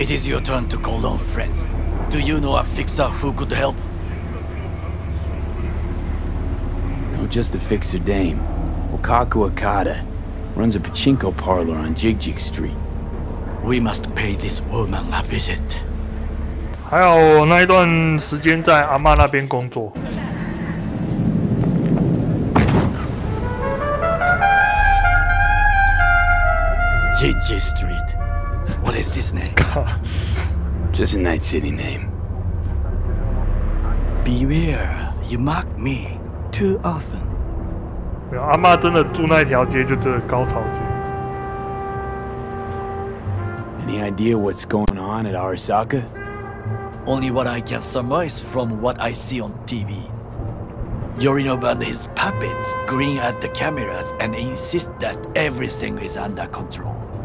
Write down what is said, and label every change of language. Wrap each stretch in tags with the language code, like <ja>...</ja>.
<en>It is your turn to call on friends. Do you know a fixer who could help? No, just a fixer dame. Okaku Okada runs a pachinko parlor on Jigjig Street. We must pay this woman a visit.</en> <zh>还有我那一段时间在阿嬷那边工作。</zh> <en>JJ Street. What is this name? Just a night city name. Beware, you mock me too often.</en> <zh>没有，阿嬷真的住那条街，就这个高潮街。</zh> <en>Any idea what's going on at Arasaka? Only what I can surmise from what I see on TV. Yorinobu and his puppets grin at the cameras and insist that everything is under control.</en>